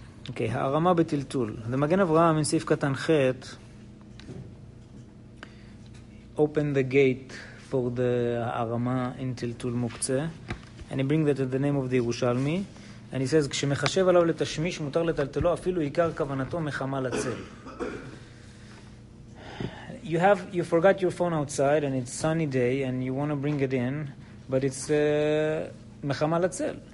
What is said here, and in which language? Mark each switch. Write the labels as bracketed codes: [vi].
[en] Okay, ha'arama betiltul. The Magen Avraham in Sif Katan Chet opened the gate for the ha'arama in Tiltul Mukze, and he brings that in the name of the Yerushalmi. And he says, [he] כשמחשב עליו לתשמיש, מותר לטלטלו, אפילו עיקר כוונתו מחמה לצל. [en] You forgot your phone outside, and it's sunny day, and you want to bring it in, but it's מחמה לצל.